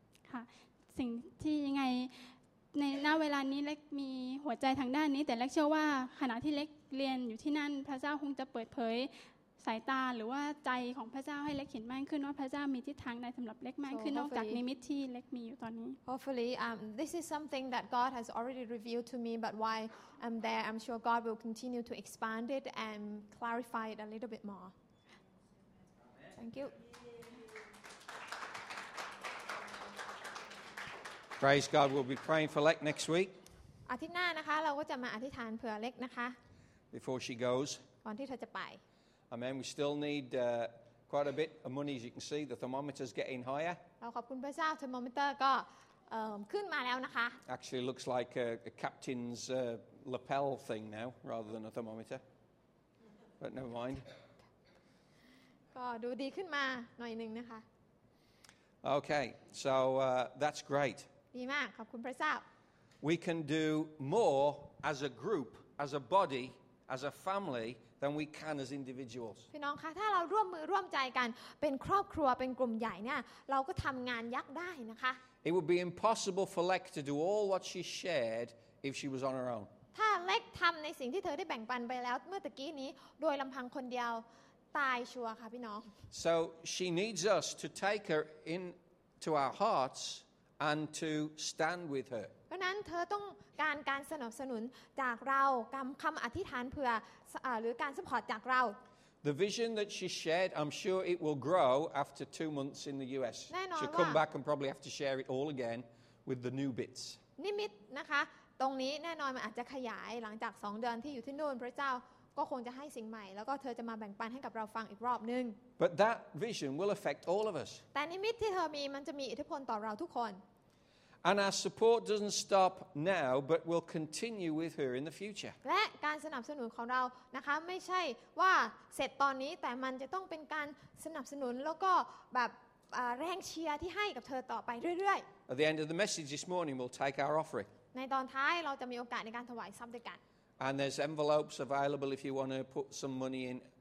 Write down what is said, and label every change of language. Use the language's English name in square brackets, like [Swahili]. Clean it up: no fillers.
[Thai] ค่ะสิ่งที่ยังไงในณเวลานี้เล็กมีหัวใจทางด้านนี้แต่เล็กเชื่อว่าขณะที่เล็กเรียนอยู่ที่นั่นพระเจ้าคงจะเปิดเผยสายตาหรือว่าใจของพระเจ้าให้เล็กเห็นมากขึ้นว่าพระเจ้ามีทิศทางใดสำหรับเล็กมากขึ้นนอกจากนิมิตที่เล็กมีอยู่ตอนนี้ [English] Hopefully this is something that God has already revealed to me but while I'm there I'm sure God will continue to expand it and clarify it a little bit more Thank you Praise God, we'll be praying for Lek next week. [Thai] อาทิตย์หน้านะคะเราก็จะมาอธิษฐานเผื่อเล็กนะคะ [English] Before she goes. [Thai] ก่อนที่เธอจะไป [English] Amen. We still need quite a bit of money, as you can see. The thermometer's getting higher. [Thai] เราขอบคุณพระเจ้าเทอร์โมมิเตอร์ก็ขึ้นมาแล้วนะคะ [English] Actually, looks like a captain's lapel thing now, rather than a thermometer. But never mind. [Thai] ก็ดูดีขึ้นมาหน่อยนึงนะคะ [English] Okay. So that's great. [Thai] ดีมากขอบคุณพระเจ้า [English] We can do more as a group, as a body, as a family than we can as individuals. [Thai] พี่น้องคะถ้าเราร่วมมือร่วมใจกันเป็นครอบครัวเป็นกลุ่มใหญ่เนี่ยเราก็ทำงานยักษ์ได้นะคะ [English] It would be impossible for Lek to do all what she shared if she was on her own. [Thai] ถ้าเล็กทำในสิ่งที่เธอได้แบ่งปันไปแล้วเมื่อตะกี้นี้โดยลำพังคนเดียวตายชัวร์ค่ะพี่น้อง [English] So she needs us to take her into our hearts. And to stand with her. [Thai] เพราะนั้นเธอต้องการการสนับสนุนจากเราคำอธิษฐานเผื่อหรือการสปอร์ตจากเรา [English] The vision that she shared, I'm sure it will grow after 2 months in the U.S. [Thai] แน่นอนว่า [English] She'll come back and probably have to share it all again with the new bits. [Thai] นิมิตนะคะตรงนี้แน่นอนมันอาจจะขยายหลังจาก2 เดือนที่อยู่ที่นู่นพระเจ้าก็คงจะให้สิ่งใหม่แล้วก็เธอจะมาแบ่งปันให้กับเราฟังอีกรอบนึง [English] But that vision will affect all of us. [Thai] แต่นิมิตที่เธอมีมันจะมีอิทธิพลต่อเราทุกคน [English] And our support doesn't stop now, but will continue with her in the future. [Thai] และการสนับสนุนของเรานะคะไม่ใช่ว่าเสร็จตอนนี้แต่มันจะต้องเป็นการสนับสนุนแล้วก็แบบแรงเชียร์ที่ให้กับเธอต่อไปเรื่อย [English] ๆ At the end of the message this morning, we'll take our offering. [Thai] ในตอนท้ายเราจะมีโอกาสในการถวายทรัพย์ด้วยกัน [English] And there's envelopes available if you want to put some money in.